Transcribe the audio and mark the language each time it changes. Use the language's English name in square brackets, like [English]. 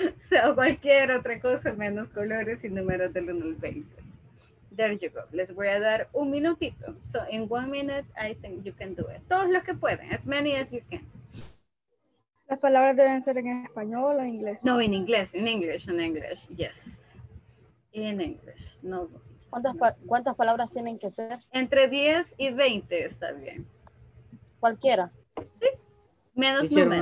[Spanish] So, cualquier otra cosa menos colores y números del 1 al 20. [English] There you go. [Spanish] Les voy a dar un minutito. [English] So, in 1 minute, I think you can do it. [Spanish] Todos los que pueden. [English] As many as you can. [Spanish] ¿Las palabras deben ser en español o en inglés? [English] No, in English. In English. In English. Yes. In English. No. [Spanish] ¿Cuántas palabras tienen que ser? Entre 10 y 20 está bien. Cualquiera. Sí, menos números.